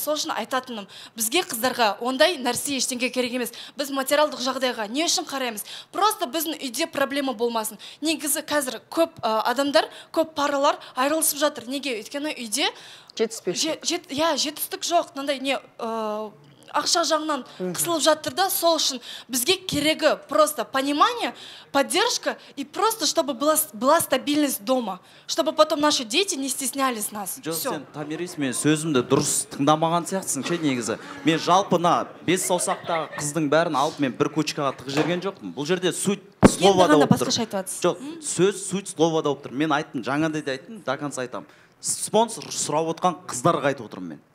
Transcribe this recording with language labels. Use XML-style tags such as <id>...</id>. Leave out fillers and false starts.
<kk>Сол үшін айтатыным, бізге қыздарға ондай нәрсе ештеңе керек емес. Біз материалдық жағдайға не үшін қараймыз? Просто біздің үйде проблема болмасын. Негізі қазір көп адамдар, көп паралар айырылысып жатыр. Неге? Өйткені үйде жетістік жоқ. Мындай не ақша жағынан қысылып жатыр да, сол үшін бізге керегі</kk> <ru>просто понимание, поддержка и просто чтобы была стабильность дома, чтобы потом наши дети не стеснялись нас.</ru> <kk>Жоқ, сен Тамирис, мен сөзімді дұрыс тыңдамаған сияқтысың. Ше негізі мен жалпына бес саусақтағы қыздың бәрін алып мен бір кучкаға тығып жіберген жоқпын. Бұл жерде</kk> <ru>суть словада</ru> <kk>болып тұр. Жоқ, сөз суть словада болып тұр. Мен айттым, жаңадай да айттым,</kk> <ru>до конца</ru> <kk>айтамын. Спонсор сұрап отқан қыздарға айтып отырмын мен.</kk>